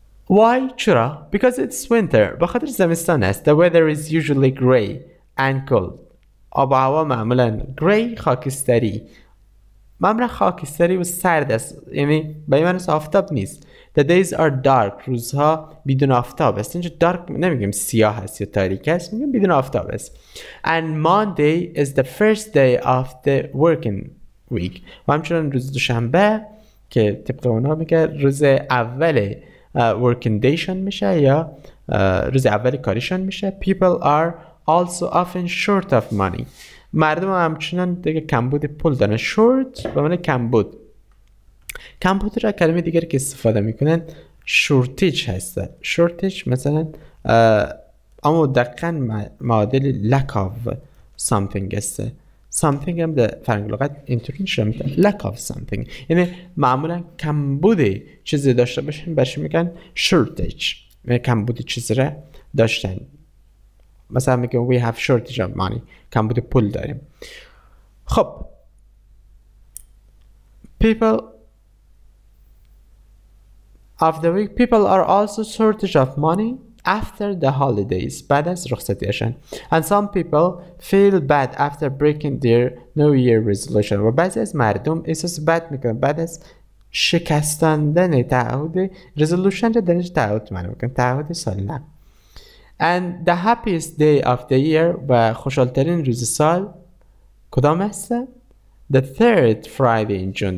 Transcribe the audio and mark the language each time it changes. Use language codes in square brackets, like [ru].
[en] Why؟ [fa] چرا؟ [en] Because it's winter، [fa] بخاطر زمستان است. [en] The weather is usually gray، and cold. [fa] آب و هوا معمولا gray خاکستری. معمولا خاکستری و سرد است. یعنی به این معنی است آفتاب نیست. [en] The days are dark. [fa] روزها بدون آفتاب است. اینجا dark نمیگیم سیاه است یا تاریک است. میگیم بدون آفتاب است. [en] And Monday is the first day of the working week. [fa] و همچنان روز دوشنبه که طبق اونا میگه روز اول working dayشان میشه یا روز اول کاریشان میشه. [en] People are also often short of money. [fa] مردم همچنان دیگه کمبود پول دارن. Short به معنی کمبود. کمبود را کلمه دیگر که استفاده میکنن shortage هست. Shortage مثلا اما دقیقاً معادل lack of something است. Something هم در فرهنگ لغت اینطوری شده میتونه lack of something. یعنی معمولا کمبود چیزی داشته باشن برش میگن shortage. یعنی کمبود چیزی را داشتن. مثلا میگن [en] we have shortage of money. [fa] کمبود پول داریم. [en] خب people of the week people are also shortage of money after the holidays. [fa] بعد از رخصتیشن. [en] And some people feel bad after breaking their new year resolution. [fa] و بعضی از مردم احساس بد میکنن بعد از شکستندن تعهد resolution. در اینجا تعهد معنی میکنن تعهد سال نه. [en] And the happiest day of the year [fa] و خوشحالترین روز سال کدام است؟ [en] The third Friday in June.